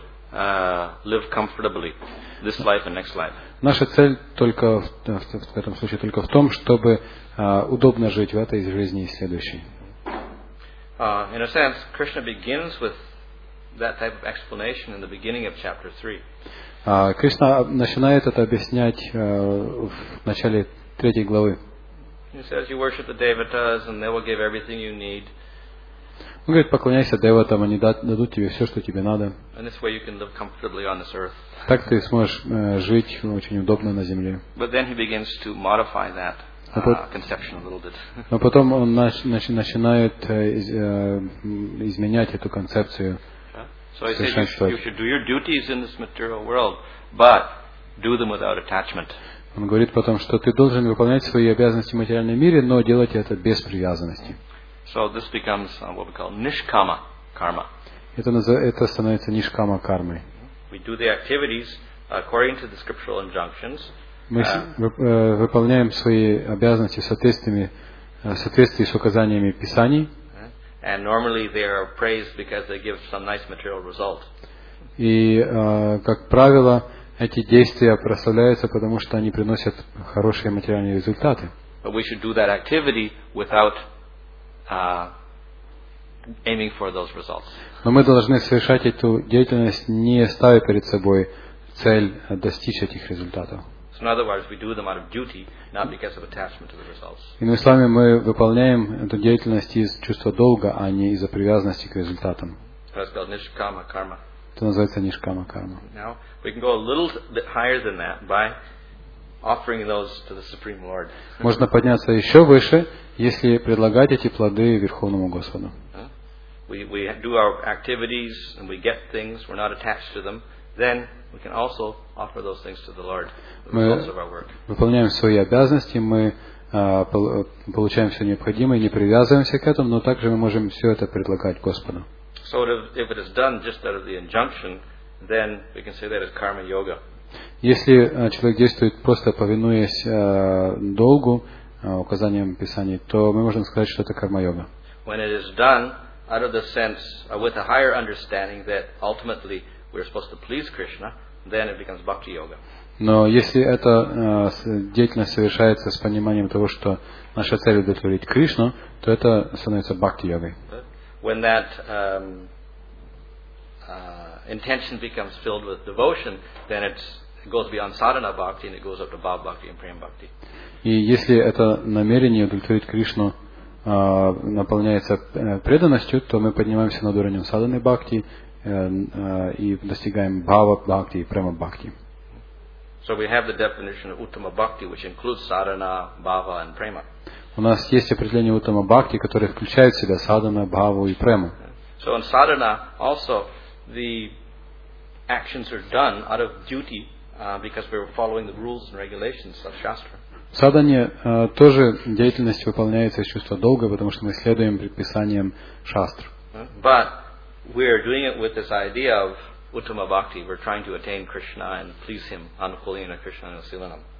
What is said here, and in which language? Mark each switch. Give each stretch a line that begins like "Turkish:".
Russian: Наша цель только в этом случае только в том, чтобы удобно жить в этой жизни и следующей.
English: In a sense, Krishna begins with that type of explanation in the beginning of chapter 3.
Russian: Кришна начинает это объяснять в начале третьей главы.
English: He says, you worship the devatas and they will give everything you need.
Russian: Он говорит, поклоняйся деватам, они дадут тебе все, что тебе надо.
English: And this way you can live comfortably on this earth.
Russian: Так ты сможешь жить очень удобно на земле.
English: But then he begins to modify that conception a little bit.
Russian: Но потом он начинает изменять эту концепцию.
English: So he says you should do your duties in this material world, but do them without attachment.
Russian: Он говорит потом, что ты должен выполнять свои обязанности в материальном мире, но делать это без привязанности.
English: So this becomes what we call nishkama karma.
Russian: Это становится нишкама кармой.
English: We do the activities according to the scriptural injunctions.
Russian: Мы выполняем свои обязанности в соответствии с указаниями Писаний.
English: And normally they are praised because they give some nice material result.
Russian: И как правило, эти действия прославляются, потому что они приносят хорошие материальные результаты.
English: But we should do that activity without aiming for those results.
Russian: Но мы должны совершать эту деятельность, не ставя перед собой цель достичь этих результатов.
English: So in other words, we do them out of duty, not because of attachment to the results.
Russian: Иными словами, мы выполняем эту деятельность из чувства долга, а не из-за привязанности к результатам.
English: That's called nishkama karma.
Russian: Это называется нишкама карма.
English: Now we can go a little bit higher than that by offering those to the Supreme Lord.
Russian: Можно подняться еще выше, если предлагать эти плоды Верховному Господу.
English: We do our activities and we get things. We're not attached to them. Then we can also offer those things to the Lord.
Russian: Мы выполняем свои обязанности, мы получаем все необходимое, не привязываемся к этому, но также мы можем все это предлагать Господу.
English: So if it is done just out of the injunction, then we can say that is karma yoga.
Russian: Если человек действует просто повинуясь долгу, указаниям Писаний, то мы можем сказать, что это карма йога.
English: When it is done out of the sense with a higher understanding that ultimately we are supposed to please Krishna, then it becomes bhakti yoga.
Russian: Но если эта деятельность совершается с пониманием того, что наша цель удовлетворить Кришну, то это становится бхакти-йогой.
English: When that intention becomes filled with devotion, then it goes beyond sadhana bhakti and it goes up to bhava bhakti and prema bhakti.
Russian: И если это намерение удовлетворить Кришну наполняется преданностью, то мы поднимаемся над уровнем садханы бхакти и достигаем бхава бхакти и према бхакти.
English: So we have the definition of uttama bhakti, which includes sadhana, bhava and prema.
Russian: У нас есть определение уттама бхакти, которое включает в себя садхана, бхаву и прему.
English: So in sadhana also the actions are done out of duty because we're following the rules and regulations of shastra.
Russian: В садхане тоже деятельность выполняется из чувства долга, потому что мы следуем предписаниям шастр.
English: But we're doing it with this idea of uttama bhakti. We're trying to attain Krishna and please him,
Sanskrit: Anukulina Krishna Nasilanam.